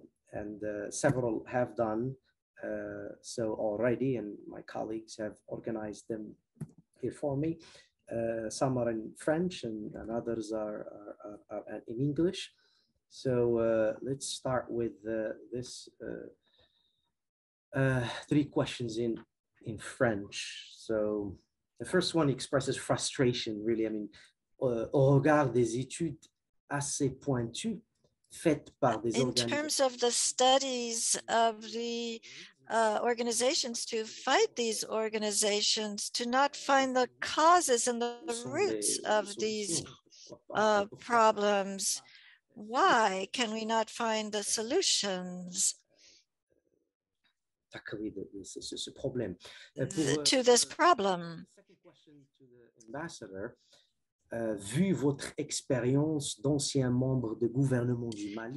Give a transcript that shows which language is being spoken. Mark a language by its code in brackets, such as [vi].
[en] And several have done so already, and my colleagues have organized them here for me. Some are in French, and others are in English. So let's start with this three questions in French. So the first one expresses frustration, really. I mean, [fr] au regard des études assez pointues faites par des organisations. [en] In terms of the studies of the organizations to fight these organizations, to not find the causes and the roots of these problems, why can we not find the solutions to this problem? [fr] Ambassador, vu votre expérience d'ancien membre de gouvernement du Mali.